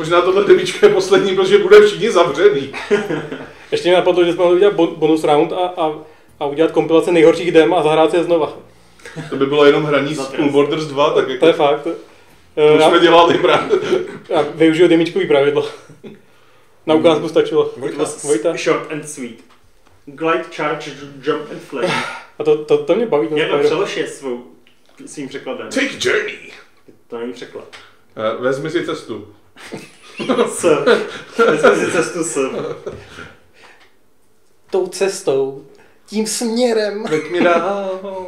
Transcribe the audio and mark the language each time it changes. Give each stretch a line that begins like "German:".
Czech: Možná tohle debíčko je poslední, protože bude všichni zavřený. Ještě mi napadlo, že jsme mohli udělat bonus round a udělat kompilace nejhorších dem a zahrát si je znova. To by bylo jenom hraní z Cool Borders 2, tak jako... To je fakt. To jsme dělali právě. Já využiju demíčkový pravidlo. Na ukázku stačilo.
English: Vojta. Short and sweet. Glide, charge, jump and flame.
Czech: A to mě baví. Měl přelož je svým překladem.
English: Take journey.
Czech: To není překlad. Vezmi si cestu. S. Vezmi si cestu s. Tou cestou, tím směrem. Veď mě dál.